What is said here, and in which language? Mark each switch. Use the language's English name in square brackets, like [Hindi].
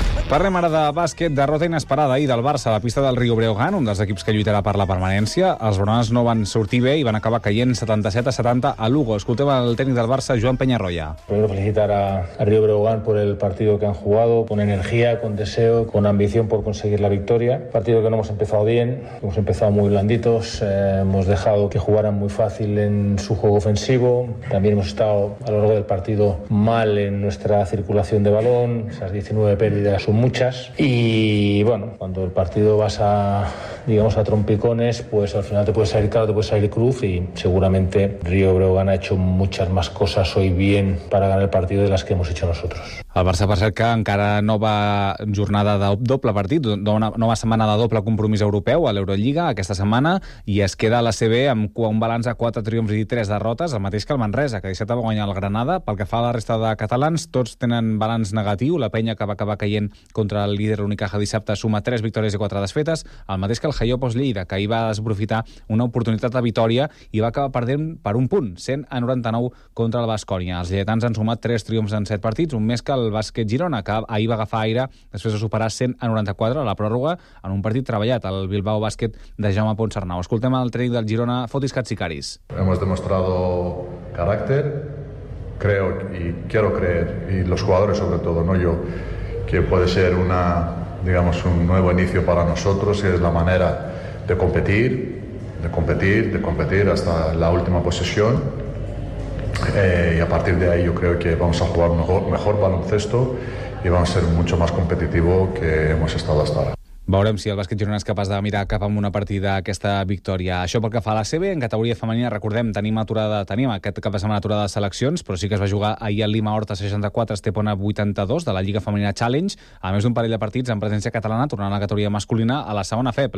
[Catalan] Parlem ara de bàsquet, derrota inesperada i del Barça a la pista del Riu-Breogán, un dels equips que lluitarà per la permanència. Els bronans no van sortir bé i van acabar caient 77-70 a Lugo. Escoltem el tècnic del Barça, Joan Peñarroya. [Spanish] Primero felicitar a Riu-Breogán por el partido que han jugado, con energía, con deseo, con ambición por conseguir la victoria. Partido que no hemos empezado bien, hemos empezado muy blanditos, hemos dejado que jugaran muy fácil en su juego ofensivo. También hemos estado a lo largo del partido mal en nuestra circulación de balón, esas 19 pérdidas muchas, y bueno, cuando el partido vas a, digamos, a trompicones, pues al final te puede salir caro, te puede salir cruz, y seguramente Riu-Breogán ha hecho muchas más cosas hoy bien para ganar el partido de las que hemos hecho nosotros. [Catalan] El Barça, per cert, que encara no va jornada de doble partit, nova setmana de doble compromís europeu a l'Eurolliga aquesta setmana, i es queda a l'ACB amb un balanç de 4 triomfs i 3 derrotes, el mateix que el Manresa, que dissabte va guanyar el Granada. Pel que fa a la resta de catalans, tots tenen balanç negatiu. La penya, que va acabar caient contra el líder Unicaja dissabte, suma 3 victòries i 4 desfetes, el mateix que el Jaiopos Lleida, que ahir va desaprofitar una oportunitat de victòria i va acabar perdent per un punt, 100-99 contra el Baskonia. Els lleidatans han sumat 3 triomfs en 7 partits, un més que el bàsquet Girona, que ahir va agafar aire després de superar 100-94 a la pròrroga en un partit treballat, el Bilbao Bàsquet de Jaume Ponsarnau. Escoltem el tècnic del Girona, Fotis Katsikaris. [Spanish] Hemos demostrado carácter, creo y quiero creer, y los jugadores sobre todo, no yo, que puede ser una, digamos, un nuevo inicio para nosotros, y es la manera de competir, hasta la última posesión. Y a partir de ahí yo creo que vamos a jugar mejor baloncesto y vamos a ser mucho más competitivo que hemos estado hasta ahora. [Catalan] Veurem si el bàsquet Girona és capaç de mirar cap amb una partida aquesta victòria. Això pel que fa a la CB, en categoria femenina, recordem, tenim aquest cap de setmana aturada de seleccions, però sí que es va jugar ahir al Lima Horta 64, Estepona 82, de la Lliga Femenina Challenge, a més d'un parell de partits en presència catalana, tornant a la categoria masculina a la segona FEP.